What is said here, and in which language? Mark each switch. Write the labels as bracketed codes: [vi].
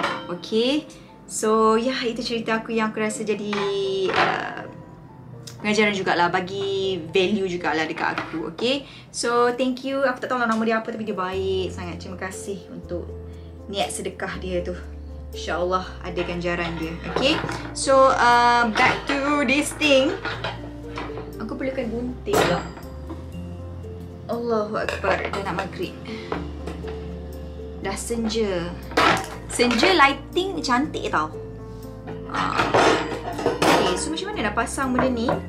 [en] Okay, so yeah, [ms] itu cerita aku yang aku rasa jadi pengajaran jugalah, bagi value jugalah dekat aku. [en] Okay, so thank you. [ms] Aku tak tahu lah nama dia apa, tapi dia baik sangat. Terima kasih untuk niat sedekah dia tu. InsyaAllah ada ganjaran dia. [en] Okay, so back to this thing. [ms] Aku perlukan gunting lah. Allahuakbar, dah nak maghrib. Dah senja. Senja lighting cantik tau. Okay, so macam mana nak pasang benda ni?